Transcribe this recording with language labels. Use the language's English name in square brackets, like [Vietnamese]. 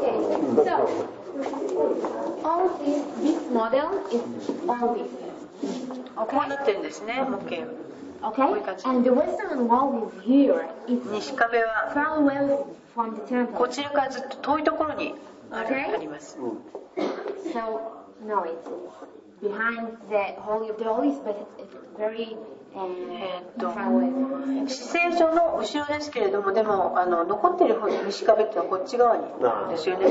[English] Okay. So all this model is all this. [Japanese] Okay. こうなってるんですね、模型。 [English] Okay. And the western wall is here. It's far away from the temple. [Japanese] こちらからずっと遠いところにあります。 [English] So no, it's behind the Holy of the Holies, but it's very far away. [Japanese] 四聖所の後ろですけれども、でも残っている方に西壁はこっち側にですよね。